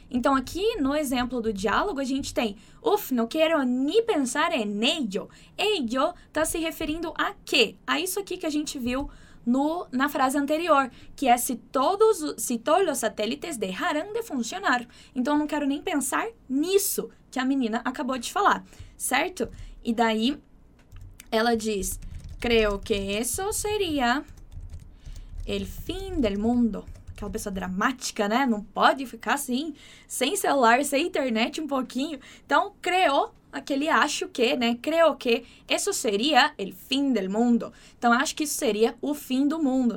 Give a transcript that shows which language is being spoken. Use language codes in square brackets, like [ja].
[pt] Então, aqui no exemplo do diálogo, a gente tem [es] uf, no quiero ni pensar en ello. [pt] Ello tá se referindo a quê? A isso aqui que a gente viu na frase anterior, que é se todos os satélites [es] dejaran de funcionar. [pt] Então, eu não quero nem pensar nisso que a menina acabou de falar, certo? E daí, ela diz, [es] creo que eso sería el fin del mundo. [pt] Aquela pessoa dramática, né? Não pode ficar assim, sem celular, sem internet um pouquinho. Então, creo, aquele acho que, né? [es] Creo que eso sería el fin del mundo. [pt] Então, acho que isso seria o fim do mundo.